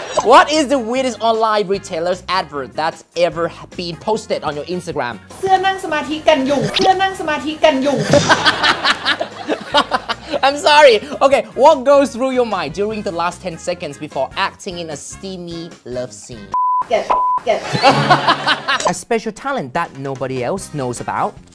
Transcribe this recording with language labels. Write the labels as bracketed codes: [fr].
[en] What is the weirdest online retailer's advert that's ever been posted on your Instagram [th] เสื้อนั่งสมาธิกันยุงเสื้อนั่งสมาธิกันยุง [en] I'm sorry okay what goes through your mind during the last 10 seconds before acting in a steamy love scene get a special talent that nobody else knows about